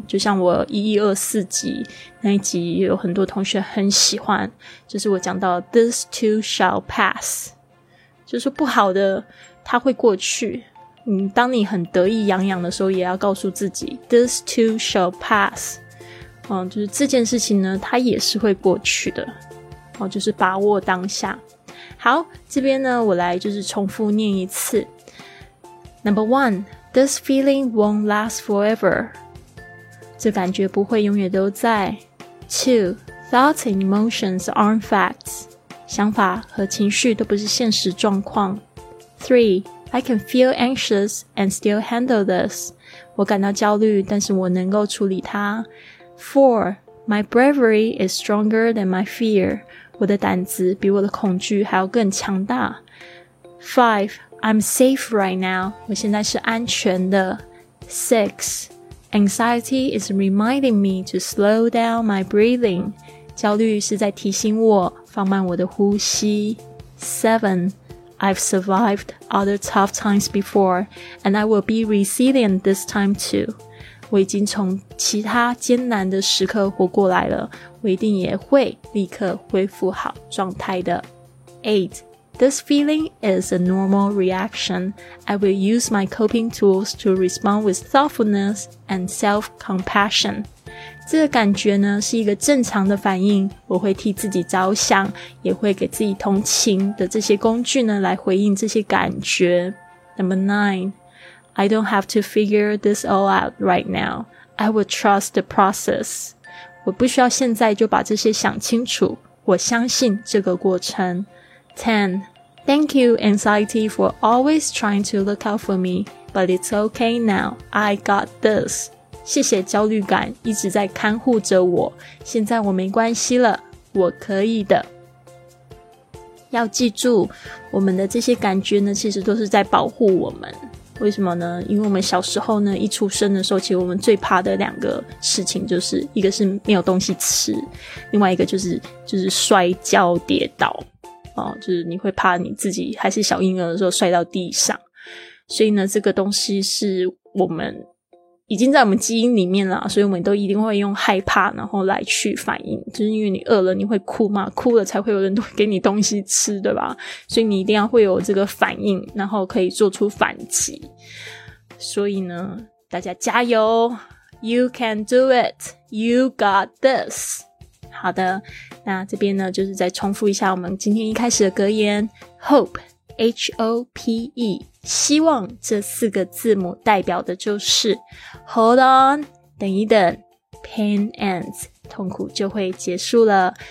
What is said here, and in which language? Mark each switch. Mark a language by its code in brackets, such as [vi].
[zh] 就像我1124集那一集有很多同学很喜欢，就是我讲到 [en] This too shall pass [zh] 就是不好的它会过去。当你很得意洋洋的时候也要告诉自己 [en] This too shall pass [zh] 就是这件事情呢它也是会过去的就是把握当下。好，这边呢我来就是重复念一次。 [en] Number one, This feeling won't last forever [zh] 这感觉不会永远都在。 [en] Two, Thoughts and emotions aren't facts [zh] 想法和情绪都不是现实状况。 [en] Three,I can feel anxious and still handle this. [zh] 我感到焦虑，但是我能够处理它。 4. [en] My bravery is stronger than my fear. [zh] 我的胆子比我的恐惧还要更强大。 [en] 5. I'm safe right now. [zh] 我现在是安全的。 [en] 6. Anxiety is reminding me to slow down my breathing. [zh] 焦虑是在提醒我放慢我的呼吸。 7. [en] I've survived other tough times before, and I will be resilient this time too. [zh] 我已经从其他艰难的时刻活过来了，我一定也会立刻恢复好状态的。 8. [en] This feeling is a normal reaction. I will use my coping tools to respond with thoughtfulness and self-compassion. [zh] 这个感觉呢是一个正常的反应，我会替自己着想，也会给自己同情的这些工具呢来回应这些感觉。 [en] Number 9 I don't have to figure this all out right now. I will trust the process. [zh] 我不需要现在就把这些想清楚，我相信这个过程。 [en] 10 Thank you anxiety for always trying to look out for me, but it's okay now. I got this. [zh] 谢谢焦虑感一直在看护着我，现在我没关系了，我可以的。要记住我们的这些感觉呢其实都是在保护我们。为什么呢？因为我们小时候呢一出生的时候，其实我们最怕的两个事情就是一个是没有东西吃，另外一个就是摔跤跌倒就是你会怕你自己还是小婴儿的时候摔到地上。所以呢这个东西是我们已经在我们基因里面了，所以我们都一定会用害怕然后来去反应，就是因为你饿了你会哭嘛，哭了才会有人给你东西吃，对吧？所以你一定要会有这个反应，然后可以做出反击。所以呢大家加油， [en] You can do it, You got this. [zh] 好的，那这边呢就是再重复一下我们今天一开始的格言 Hope H-O-P-E， 希望这四个字母代表的就是 [en] Hold on， [zh] 等一等， [en] Pain ends， [zh] 痛苦就会结束了。